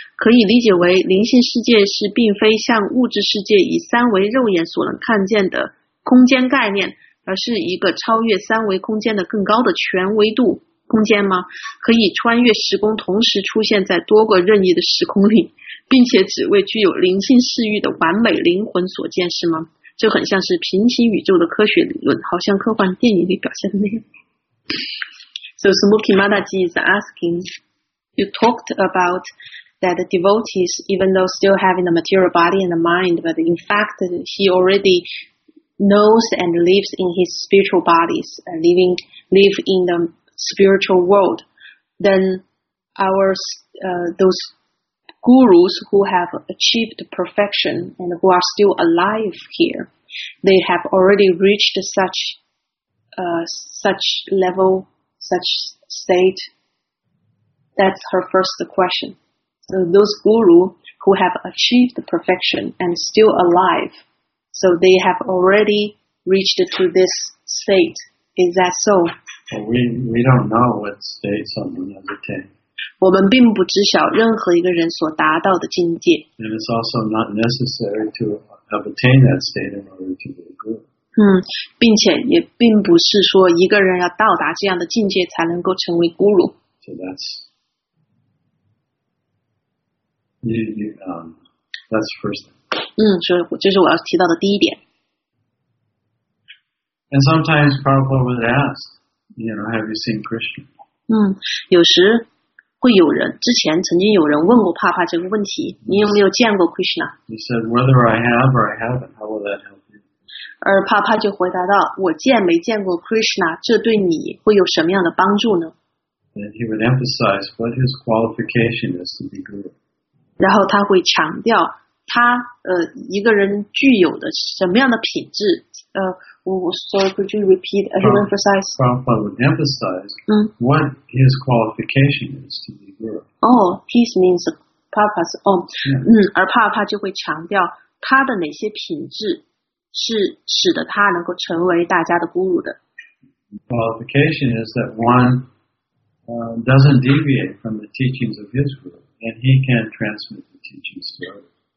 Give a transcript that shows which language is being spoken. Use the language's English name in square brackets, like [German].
[Chinese] 可以理解为灵性世界是并非像物质世界以三维肉眼所能看见的空间概念，而是一个超越三维空间的更高的全维度空间吗？可以穿越时空，同时出现在多个任意的时空里，并且只为具有灵性视域的完美灵魂所见是吗？这很像是平行宇宙的科学理论，好像科幻电影里表现的那样。 [English] So Smoky Mataji is asking, you talked about that the devotees, even though still having the material body and the mind, but in fact he already knows and lives in his spiritual bodies, live in the spiritual world. Then those gurus who have achieved perfection and who are still alive here, they have already reached such level,such state? That's her first question. So those guru who have achieved perfection and still alive, so they have already reached to this state. Is that so? Well, we don't know what state someone has attained. [Chinese] 我们并不知晓任何一个人所达到的境界。 [English] And it's also not necessary to have attained that state in order to be a guru. [Chinese] 并且也并不是说一个人要到达这样的境界才能够成为孤独。 [English] So that's first. [Chinese] 所以这是我要提到的第一点。 [English] And sometimes Prabhupada would ask, you know, have you seen Krishna? [Chinese] 有时会有人，之前曾经有人问过帕帕这个问题，你有没有见过 Krishna? [English] He said, whether I have or I haven't, how will that help? [Chinese] 而帕帕就回答道，我见没见过 Krishna, 这对你会有什么样的帮助呢？ [English] And he would emphasize what his qualification is to be guru. [Chinese] 然后他会强调他一个人具有的什么样的品质。 [English] Could you repeat and emphasize? Prabhupada would emphasize what his qualification is to be guru. [Chinese] Or Papa 就会强调他的哪些品质是使得他能够成为大家的孤独的。 [English] Qualification is that one doesn't deviate from the teachings of his guru, and he can transmit the teachings to others.